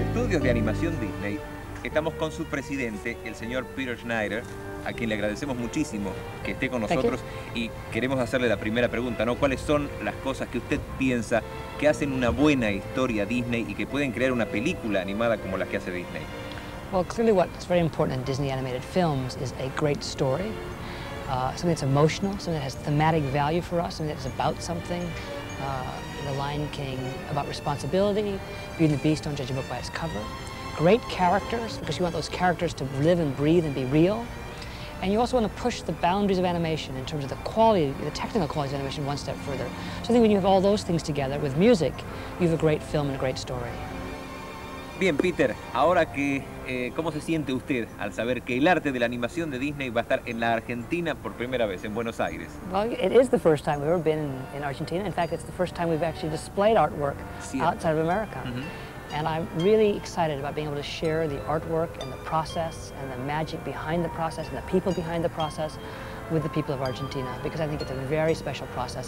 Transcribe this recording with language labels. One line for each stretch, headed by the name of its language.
Spanish: De animación Disney, estamos con su presidente, el señor Peter Schneider, a quien le agradecemos muchísimo que esté con nosotros y queremos hacerle la primera pregunta, ¿no? ¿Cuáles son las cosas que usted piensa que hacen una buena historia Disney y que pueden crear una película animada como las que hace Disney?
English: Well, clearly what's very important in Disney animated films is a great story, something that's emotional, something that has thematic value for us, something that's about something, The Lion King about responsibility, Beauty and the Beast, don't judge a book by its cover. Great characters, because you want those characters to live and breathe and be real. And you also want to push the boundaries of animation in terms of the quality, the technical quality of animation, one step further. So I think when you have all those things together with music, you have a great film and a great story.
Spanish: Bien, Peter, ahora que, ¿cómo se siente usted al saber que el arte de la animación de Disney va a estar en la Argentina por primera vez, en Buenos Aires?
English: Well, it is the first time we've ever been in Argentina. In fact, it's the first time we've actually displayed artwork outside of America. Mm-hmm. And I'm really excited about being able to share the artwork and the process and the magic behind the process and the people behind the process with the people of Argentina, because I think it's a very special process.